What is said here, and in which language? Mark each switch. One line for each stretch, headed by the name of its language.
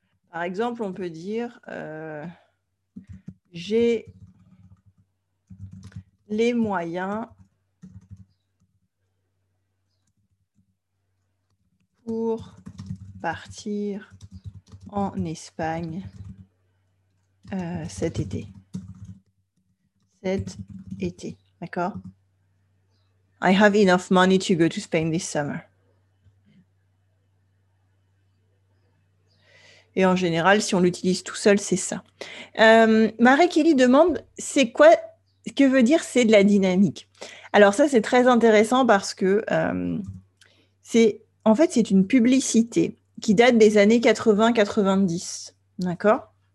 French: Par exemple, on peut dire j'ai les moyens pour partir en Espagne cet été. Cet été. D'accord.
English: I have enough money to go to Spain this summer.
French: Et en général, si on l'utilise tout seul, c'est ça. Marie Kelly demande, c'est quoi, que veut dire c'est de la dynamique? Alors ça, c'est très intéressant parce que c'est en fait, c'est une publicité qui date des années 80-90. D'accord?